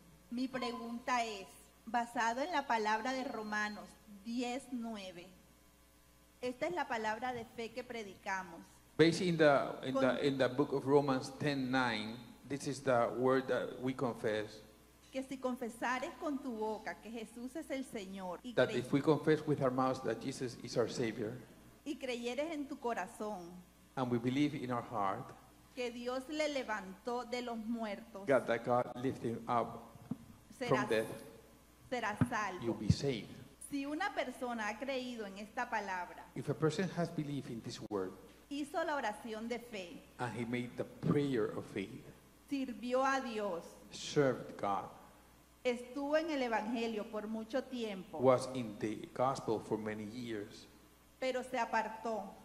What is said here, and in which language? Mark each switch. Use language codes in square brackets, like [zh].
[es] Mi pregunta es, basado en la palabra de Romanos 10:9. Esta es la palabra de fe que predicamos. [en] Based in the book of Romans 10:9, this is the word that we confess. [es] Que si confesares con tu boca que Jesús es el Señor. [en] That if we confess with our mouths that Jesus is our Savior. [es] Y creyeres en tu corazón. [en] And we believe in our heart. [es] Que Dios le levantó de los muertos. [en] God, that God lifted him up from death. [es] Serás salvo. [en] You'll be saved. [es] Si una persona ha creído en esta palabra. [en] If a person has believed in this word. [es] Hizo la oración de fe. [en] And he made the prayer of faith. [es] Sirvió a Dios. [en] Served God. [es] Estuvo en el evangelio por mucho tiempo. [en] Was in the gospel for many years. [es] Pero se apartó.